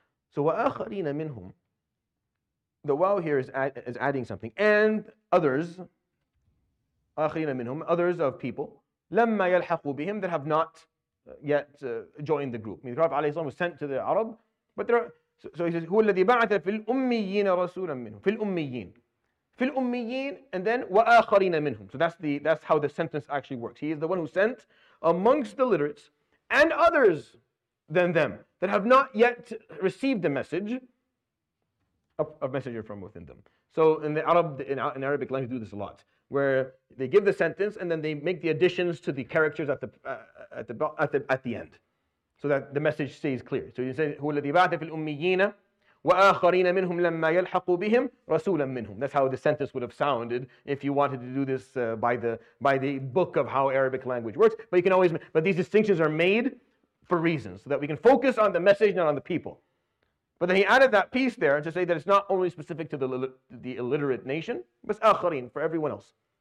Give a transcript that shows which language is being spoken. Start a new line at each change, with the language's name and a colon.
English: So
Arabic: وَآخَرِينَ مِنْهُمْ,
English: the wow here is adding something. And others,
Arabic: آخَرِينَ مِنْهُمْ,
English: others of people,
Arabic: لَمَّا يَلْحَقُوا بِهِمْ,
English: that have not yet joined the group. I mean, the Prophet ﷺ was sent to the Arab, but there are, so he says,
Arabic: هُوَ الَّذِي بَعَثَ فِي الْأُمِّيِّينَ رَسُولًا مِنْهُمْ. فِي الْأُمِّيِّينَ. فِي الْأُمِّيِّينَ,
English: and then
Arabic: وَآخَرِينَ مِنْهُمْ.
English: So that's how the sentence actually works. He is the one who sent amongst the literates and others than them that have not yet received the message, a messenger from within them. So in the Arab, in Arabic language, they do this a lot, where they give the sentence and then they make the additions to the characters at the end, so that the message stays clear. So you say,
Arabic: هُوَ الَّذِي بَعْثَ فِي الْأُمِّيِّينَ وَآخَرِينَ مِنْهُمْ لَمَّا يَلْحَقُوا بِهِمْ رَسُولًا مِنْهُمْ.
English: That's how the sentence would have sounded if you wanted to do this by the book of how Arabic language works. But you can always, but these distinctions are made for reasons, so that we can focus on the message, not on the people. But then he added that piece there to say that it's not only specific to the illiterate nation, but آخرين, for everyone else.